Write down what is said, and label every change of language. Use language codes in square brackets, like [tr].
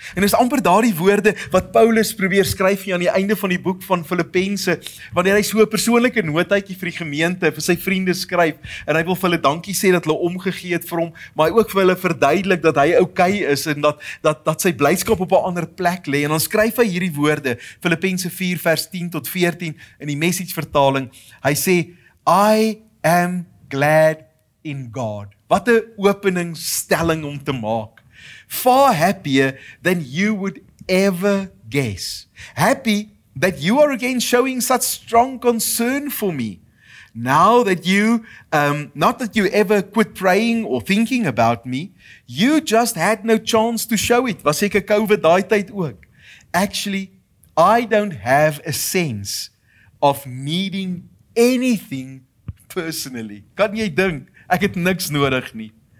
[af] En is amper daardie woorde wat Paulus probeer skryf hier aan die einde van die boek van Filippense, wanneer hy so 'n persoonlike notaatjie vir die gemeente, vir sy vriende skryf, en hy wil vir hulle dankie sê dat hulle omgegee het vir hom, maar hy ook vir hulle verduidelik dat hy okay is en dat sy blydskap op 'n ander plek lê. En dan skryf hy hierdie woorde, Filippense 4 vers 10 tot 14 in die Message vertaling. Hy sê, [en] I am glad in God. [af] Wat 'n openingstelling om te maak. [en] Far happier than you would ever guess. Happy that you are again showing such strong concern for me. Now that you, not that you ever quit praying or thinking about me, you just had no chance to show it. [af] Was seker COVID daai tyd ook. [en] Actually, I don't have a sense of needing anything personally. [af] Kan jy dink, ek het niks nodig nie.